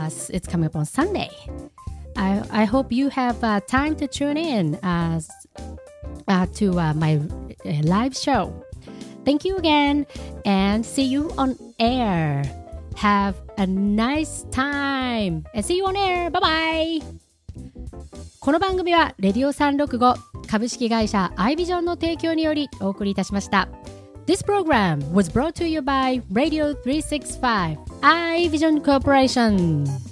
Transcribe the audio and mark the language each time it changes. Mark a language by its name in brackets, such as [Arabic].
[English] It's coming up on Sunday. I hope you have time to tune in to my live show. Thank you again, and see you on air. Have a nice time, and see you on air. Bye bye. [Japanese] この番組はレディオ365株式会社アイビジョンの提供によりお送りいたしました。 [English] This program was brought to you by Radio 365 iVision Corporation.